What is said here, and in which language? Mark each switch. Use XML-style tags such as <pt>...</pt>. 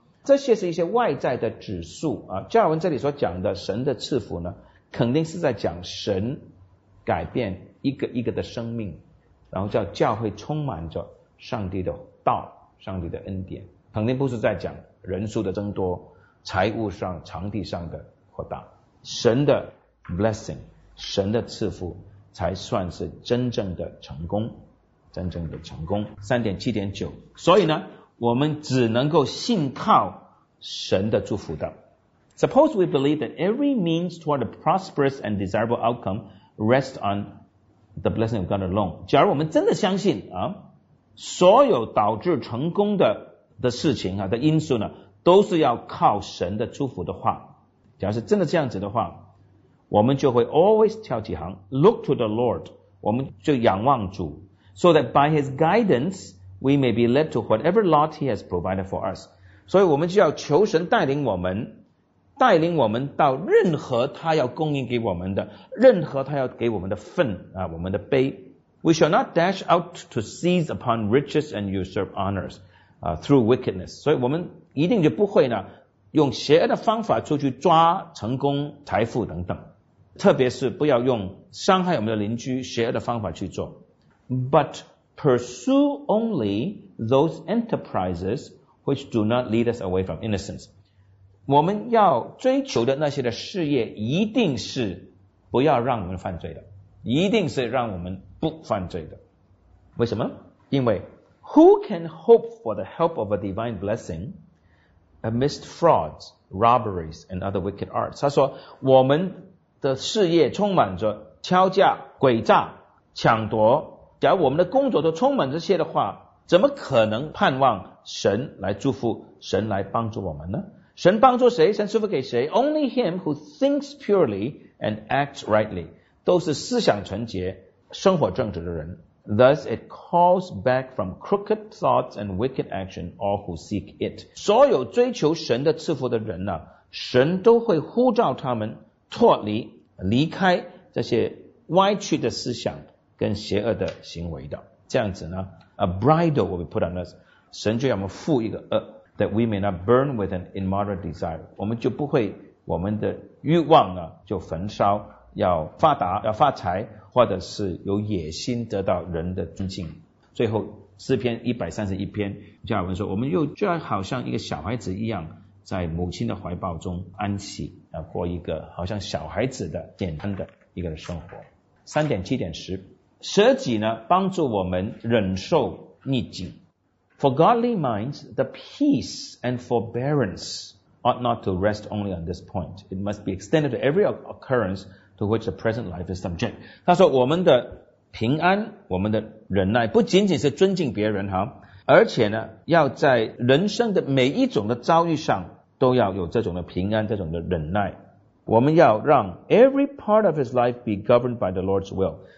<zh>这些是一些外在的指数啊。加尔文这里所讲的神的赐福呢，肯定是在讲神改变一个一个的生命，然后叫教会充满着上帝的道、上帝的恩典，肯定不是在讲人数的增多、财务上、场地上的扩大。神的 blessing， 神的赐福才算是真正的成功，真正的成功。 3.7.9， 所以呢，我们只能够信靠神的祝福的。</zh> <en>Suppose we believe that every means toward a prosperous and desirable outcome rests onThe blessing of God alone.</en> <zh>假如我们真的相信啊，所有导致成功的事情啊的因素呢，都是要靠神的祝福的话，假如是真的这样子的话，我们就会 always 跳几行</zh> <en>look to the Lord，</en> <zh>我们就仰望主，</zh> <en>so that by His guidance we may be led to whatever lot He has provided for us.</en> <zh>所以我们就要求神带领我们，带领我们到任何他要供应给我们的，任何他要给我们的份啊，我们的杯。</zh> <en>We shall not dash out to seize upon riches and usurp honors, through wickedness.</en> <zh>所以我们一定就不会呢，用邪恶的方法出去抓成功、财富等等。特别是不要用伤害我们的邻居、邪恶的方法去做。</zh> <en>But pursue only those enterprises which do not lead us away from innocence.</en> <zh>我们要追求的那些的事业一定是不要让我们犯罪的，一定是让我们不犯罪的。为什么？因为</zh> <en>Who can hope for the help of a divine blessing amidst frauds, robberies and other wicked arts?</en> <zh>他说我们的事业充满着敲诈、诡诈、抢夺，假如我们的工作都充满这些的话，怎么可能盼望神来祝福、神来帮助我们呢？神帮助谁？神赐福给谁？</zh> <en>Only him who thinks purely and acts rightly.</en> <zh>都是思想纯洁、生活正直的人。</zh> <en>Thus it calls back from crooked thoughts and wicked action all who seek it.</en> <zh>所有追求神的赐福的人呢，神都会呼召他们脱离、离开这些歪曲的思想跟邪恶的行为的。</zh> <en>这样子呢， A bridle will be put on us.</en> <zh>神就要我们付一个恶，</zh> <en>That we may not burn with an immoderate desire.</en> <zh>我们就不会，我们的欲望呢就焚烧，要发达，要发财，或者是有野心得到人的尊敬。最后诗篇131篇，加尔文说，我们又就好像一个小孩子一样，在母亲的怀抱中安息，过一个好像小孩子的简单的一个生活。三点七点十，舍己呢，帮助我们忍受逆境。</zh> <en>For godly minds, the peace and forbearance ought not to rest only on this point. It must be extended to every occurrence to which the present life is subject.</en> <zh>他说我们的平安，我们的忍耐，不仅仅是尊敬别人，而且呢，要在人生的每一种的遭遇上，都要有这种的平安，这种的忍耐。我们要让</zh> <en>every part of his life be governed by the Lord's will.</en>